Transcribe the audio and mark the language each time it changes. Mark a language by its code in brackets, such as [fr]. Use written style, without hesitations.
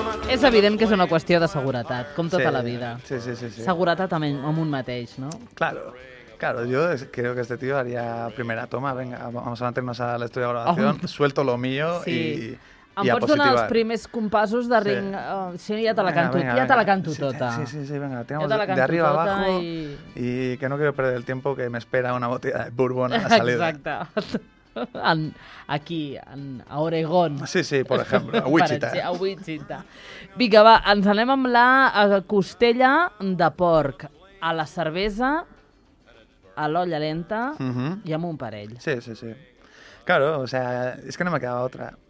[ca] És evident que és una qüestió de seguretat, com tota la vida. Sí. Seguretat amb un mateix, no? [es] Claro, yo creo que este tío haría primera toma, venga, vamos a mantenernos a la estudio de grabación, suelto lo mío sí. Y [ca] em pots donar els primers compassos de ring, sí. Ja te la canto, venga. Ja te la canto tota. [es] Sí, venga, tenemos de arriba a abajo y que no quiero perder el tiempo que me espera una botella de bourbon a la salida. [ca] Exacte. Aquí, a Oregon. [es] Sí, por ejemplo, a Wichita. A Wichita. [ca] Vinga, va, ens anem amb la costella de porc, a la cervesa, a l'olla lenta i amb un parell. Sí. [es] Claro, o sea, es que no me quedaba otra.